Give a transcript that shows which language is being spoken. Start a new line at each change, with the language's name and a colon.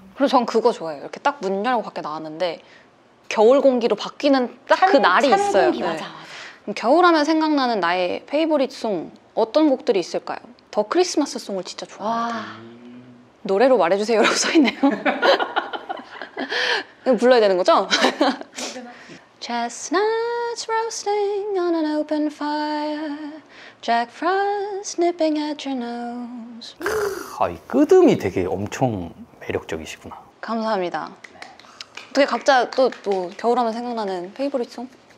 Korean: 그리고 전 그거 좋아해요. 이렇게 딱 문 열고 밖에 나왔는데 겨울 공기로 바뀌는 딱 그 날이 있어요. 공기, 네. 맞아. 겨울 하면 생각나는 나의 페이보릿 송 어떤 곡들이 있을까요? 더 크리스마스 송을 진짜 좋아합니다. 와. 노래로 말해주세요 라고 써있네요. 이거 불러야 되는 거죠?
English: Chestnuts roasting on an open fire Jack Frost nipping at your nose.
Korean: 아, 이 끄듬이 되게 엄청 매력적이시구나. 감사합니다. 어떻게 각자 또 뭐 겨울하면 생각나는 페이보릿 송?